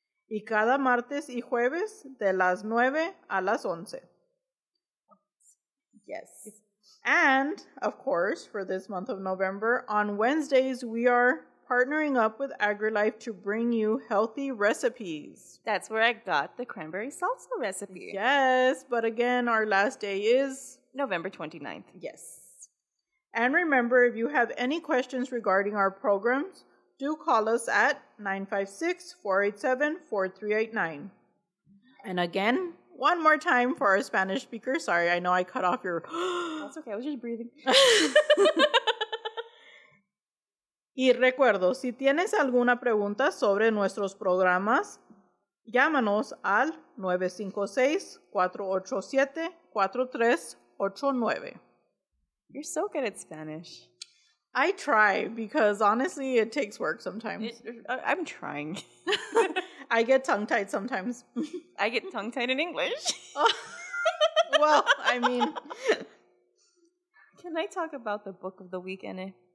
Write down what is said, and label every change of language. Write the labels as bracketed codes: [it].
[es] Y cada martes y jueves de las 9 a las 11. [en] Yes. And, of course, for this month of November, on Wednesdays, we are partnering up with AgriLife to bring you healthy recipes. That's where I got the cranberry salsa recipe. Yes, but again, our last day is November 29th. Yes. And remember, if you have any questions regarding our programs, do call us at 956-487-4389. And again, one more time for our Spanish speaker. Sorry, I know I cut off your... That's okay, I was just breathing. [es] Y recuerdo, si tienes alguna pregunta sobre nuestros programas, llámanos al 956-487-4389. [en] You're so good at Spanish. I try, because honestly, it takes work sometimes. I'm trying. I get tongue-tied sometimes. I get tongue-tied in English. Well, I mean... Can I talk about the book of the week, Ene?